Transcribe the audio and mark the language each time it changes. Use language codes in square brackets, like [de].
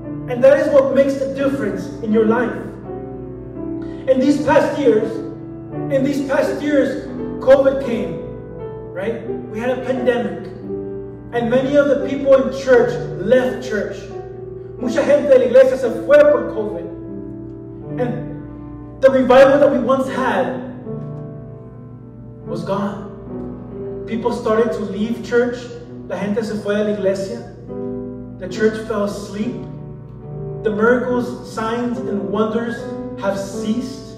[en] And that is what makes the difference in your life. In these past years, COVID came, right? We had a pandemic. And many of the people in church left church. [es] Mucha gente de la iglesia se fue por COVID. [en] And the revival that we once had was gone. People started to leave church. [es] La gente se fue de la iglesia. [en] The church fell asleep. The miracles, signs, and wonders have ceased.